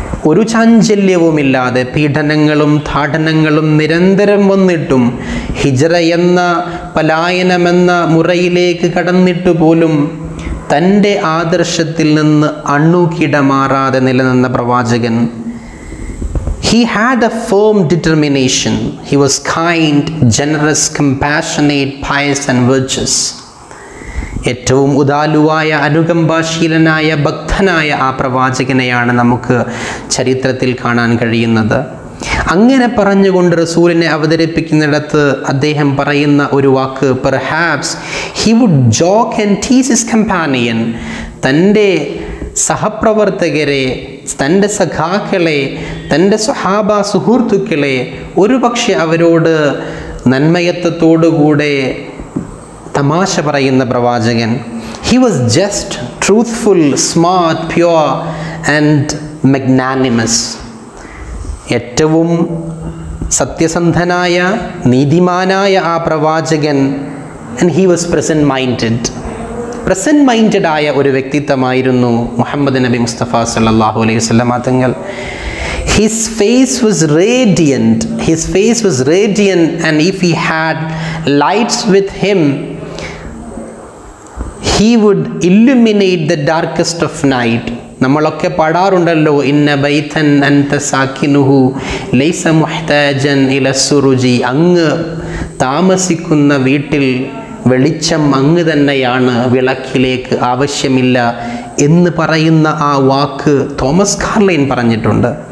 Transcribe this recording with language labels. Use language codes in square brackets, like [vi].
[ml] ഒരു ചാഞ്ചല്യവുമില്ലാതെ പീഡനങ്ങളും താടനങ്ങളും നിരന്തരം വന്നിട്ടും, ഹിജ്റ എന്ന പലായനമെന്ന മുറയിലേക്ക് കടന്നിട്ടു പോലും തൻ്റെ ആദർശത്തിൽ നിന്ന് അണ്ണുകിടമാറാതെ നിലനിന്ന പ്രവാചകൻ. [en] He had a firm determination. He was kind, generous, compassionate, pious and virtuous. [ml] ഏറ്റവും ഉദാലുവായ, അനുകമ്പാശീലനായ, ഭക്തനായ ആ പ്രവാചകനെയാണ് നമുക്ക് ചരിത്രത്തിൽ കാണാൻ കഴിയുന്നത്. അങ്ങനെ പറഞ്ഞുകൊണ്ട് റസൂലിനെ അവതരിപ്പിക്കുന്നിടത്ത് അദ്ദേഹം പറയുന്ന ഒരു വാക്ക്, [en] Perhaps he would joke and tease his companion. [ml] തൻ്റെ സഹപ്രവർത്തകരെ, തൻ്റെ സഖാക്കളെ, തൻ്റെ സുഹാബ സുഹൃത്തുക്കളെ ഒരുപക്ഷെ അവരോട് നന്മയത്വത്തോടുകൂടെ തമാശ പറയുന്ന പ്രവാചകൻ. [en] He was just, truthful, smart, pure and magnanimous. [ml] ഏറ്റവും സത്യസന്ധനായ, നീതിമാനായ ആ പ്രവാചകൻ. [en] And he was present minded. [ml] Present minded ആയ ഒരു വ്യക്തിത്വമായിരുന്നു മുഹമ്മദ് നബി മുസ്തഫ സല്ലല്ലാഹു അലൈഹി വസല്ലം തങ്ങൾ. [en] His face was radiant. His face was radiant, and if he had lights with him, he would illuminate the darkest of night. [ml] നമ്മളൊക്കെ പാടാറുണ്ടല്ലോ, [ar] ഇന്ന ബൈതൻ അൻത സാകിനുഹു ലൈസ മുഹ്താജൻ ഇല സുറുജി, [ml] അങ്ങ് താമസിക്കുന്ന വീട്ടിൽ വെളിച്ചം അങ്ങ് തന്നെയാണ്, വിളക്കിലേക്ക് ആവശ്യമില്ല എന്ന് പറയുന്ന ആ വാക്ക് തോമസ് കാർലൈൻ പറഞ്ഞിട്ടുണ്ട്.